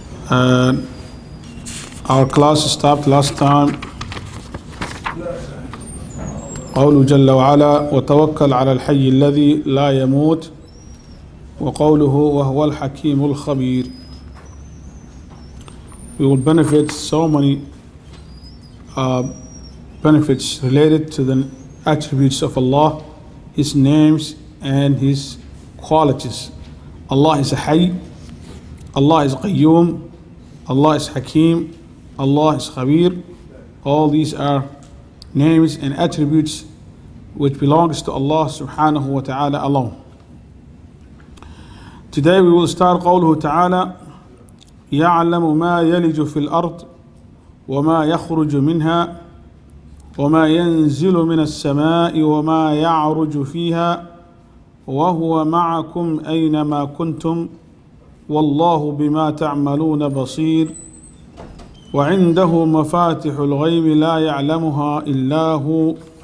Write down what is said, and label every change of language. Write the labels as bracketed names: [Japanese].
[English] Our class stopped last time. [Arabic] قوله جل وعلا وتوكل على الحي الذي لا يموت وقوله وهو الحكيم الخبير. [English] We will benefit so many benefits related to the attributes of Allah, His names and His qualities. Allah is a Hayy, Allah is Qayyum, Allah is Hakim, Allah is Khabir. All these are names and attributes which belongs to Allah subhanahu wa ta'ala alone. Today we will start [Arabic] قوله تعالى يعلم ما يلج في الأرض وما يخرج منها وما ينزل من السماء وما يعرج فيها وهو معكم أينما كنتم والله بما تعملون بصير وعنده مفاتح الغيب لا يعلمها إلا هو